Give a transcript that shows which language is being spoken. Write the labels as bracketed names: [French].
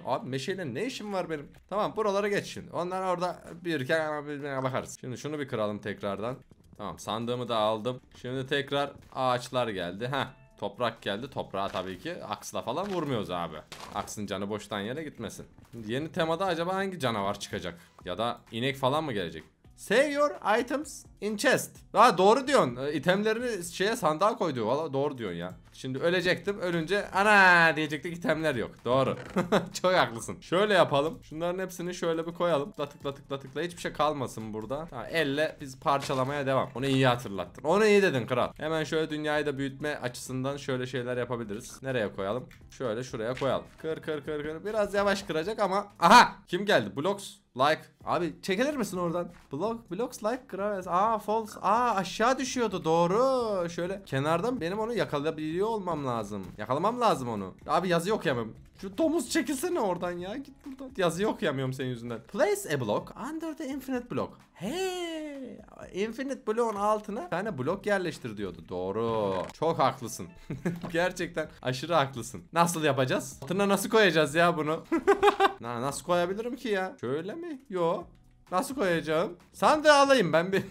[Turkish] Abi meşeyle ne işim var benim? Tamam buralara geç şimdi. Onlar orada büyürken bakarız. Şimdi şunu bir kıralım tekrardan. Tamam sandığımı da aldım. Şimdi tekrar ağaçlar geldi. Heh. Toprak geldi. Toprağa tabii ki aksla falan vurmuyoruz abi. Aksın canı boştan yere gitmesin. Şimdi yeni temada acaba hangi canavar çıkacak? Ya da inek falan mı gelecek? [English] Save your items in chest. [Turkish] Aa, doğru diyorsun. İtemlerini şeye sandığa koydu. Valla doğru diyorsun ya. Şimdi ölecektim. Ölünce ana diyecektik, itemler yok. Doğru. Çok haklısın. Şöyle yapalım. Şunların hepsini şöyle bir koyalım. Tıkla tıkla tıkla tıkla. Hiçbir şey kalmasın burada. Ha, elle biz parçalamaya devam. Onu iyi hatırlattın. Onu iyi dedin kral. Hemen şöyle dünyayı da büyütme açısından şöyle şeyler yapabiliriz. Nereye koyalım? Şöyle şuraya koyalım. Kır kır kır kır. Biraz yavaş kıracak ama. Aha! Kim geldi? [English] Blocks. Like. [Turkish] Abi çekilir misin oradan? [English] Blocks like gravels. Aa false. [Turkish] Aa aşağı düşüyordu. Doğru. Şöyle kenardan benim onu yakalayabiliyor olmam lazım. Yakalamam lazım onu. Abi yazı okuyamıyorum. Şu domuz çekilsene oradan ya. Git buradan. Yazıyı okuyamıyorum senin yüzünden. [English] Place a block under the infinite block. Hey. [Turkish] Infinite block'un altına bir tane blok yerleştir diyordu. Doğru. Çok haklısın. Gerçekten aşırı haklısın. Nasıl yapacağız? Altına nasıl koyacağız ya bunu? Nasıl koyabilirim ki ya? Şöyle mi? Yo. Nasıl koyacağım? Sandığı alayım ben bir.